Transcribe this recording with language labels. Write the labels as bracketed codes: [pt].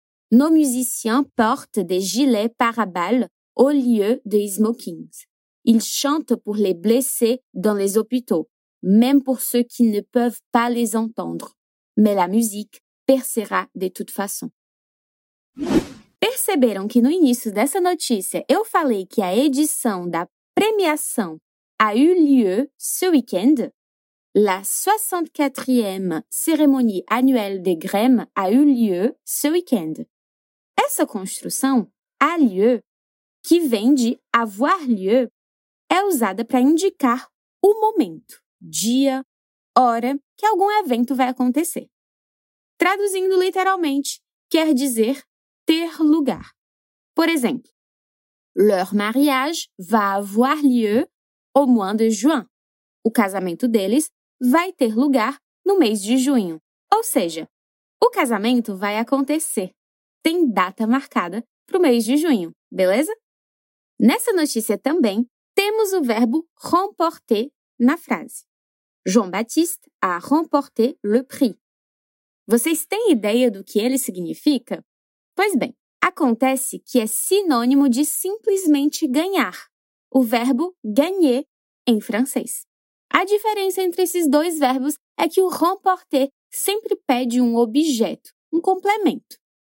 [fr] Nos musiciens portent des gilets pare-balles au lieu des smokings. Ils chantent pour les blessés dans les hôpitaux, même pour ceux qui ne peuvent pas les entendre. Mais la musique percera de toute façon. [pt] Perceberam que no início dessa notícia eu falei que a edição da premiação [fr] a eu lieu ce week-end? La 64e cérémonie annuelle des Grammy a eu lieu ce week-end. [pt] Essa construção, a lieu, que vem de avoir lieu, é usada para indicar o momento, dia, hora que algum evento vai acontecer. Traduzindo literalmente, quer dizer ter lugar. Por exemplo, [fr] leur mariage va avoir lieu au mois de juin. [pt] O casamento deles vai ter lugar no mês de junho. Ou seja, o casamento vai acontecer. Tem data marcada para o mês de junho, beleza? Nessa notícia também, temos o verbo remporter na frase. [fr] Jean-Baptiste a remporté le prix. [pt] Vocês têm ideia do que ele significa? Pois bem, acontece que é sinônimo de simplesmente ganhar, o verbo gagner em francês. A diferença entre esses dois verbos é que o remporter sempre pede um objeto, um complemento.